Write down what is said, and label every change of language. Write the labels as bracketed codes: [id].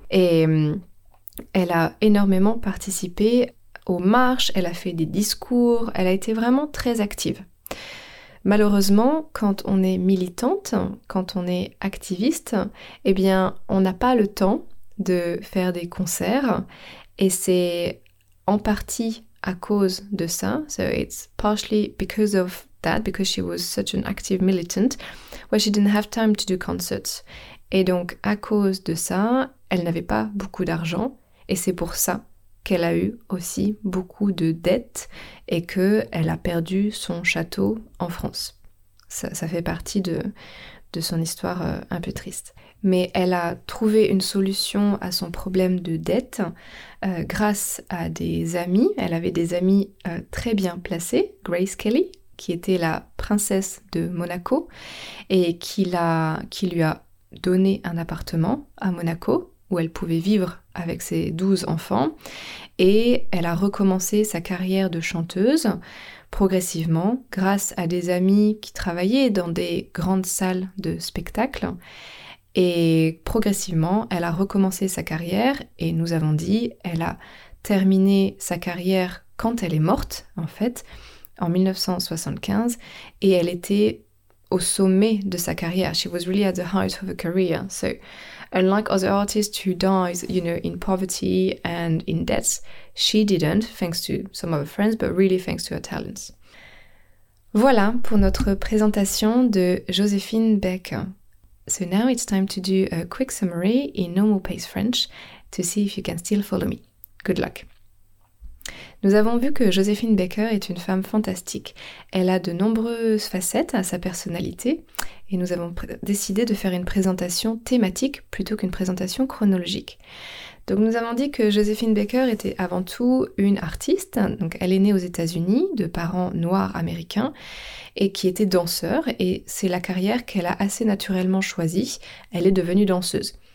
[fr] Et elle a énormément participé aux marches, elle a fait des discours, elle a été vraiment très active. Malheureusement, quand on est militante, quand on est activiste, eh bien, on n'a pas le temps de faire des concerts. Et c'est en partie à cause de ça, [en] so it's partially because of that, because she was such an active militant, where she didn't have time to do concerts. [fr] Et donc, à cause de ça, elle n'avait pas beaucoup d'argent, et c'est pour ça qu'elle a eu aussi beaucoup de dettes, et qu'elle a perdu son château en France. Ça fait partie de son histoire un peu triste. Mais elle a trouvé une solution à son problème de dette grâce à des amis. Elle avait des amis très bien placés, Grace Kelly, qui était la princesse de Monaco et qui lui a donné un appartement à Monaco où elle pouvait vivre avec ses 12 enfants. Et elle a recommencé sa carrière de chanteuse progressivement grâce à des amis qui travaillaient dans des grandes salles de spectacle. Et progressivement, elle a recommencé sa carrière et nous avons dit, elle a terminé sa carrière quand elle est morte, en fait, en 1975, et elle était au sommet de sa carrière. [en] She was really at the height of her career. So, unlike other artists who died, you know, in poverty and in debts, she didn't, thanks to some of her friends, but really thanks to her talents. [fr] Voilà pour notre présentation de Joséphine Baker. [en] So now it's time to do a quick summary in normal pace French to see if you can still follow me. Good luck. [fr] Nous avons vu que Joséphine Baker est une femme fantastique. Elle a de nombreuses facettes à sa personnalité et nous avons décidé de faire une présentation thématique plutôt qu'une présentation chronologique. Donc nous avons dit que Joséphine Baker était avant tout une artiste, donc elle est née aux États-Unis de parents noirs américains et qui était danseur et c'est la carrière qu'elle a assez naturellement choisie, elle est devenue danseuse.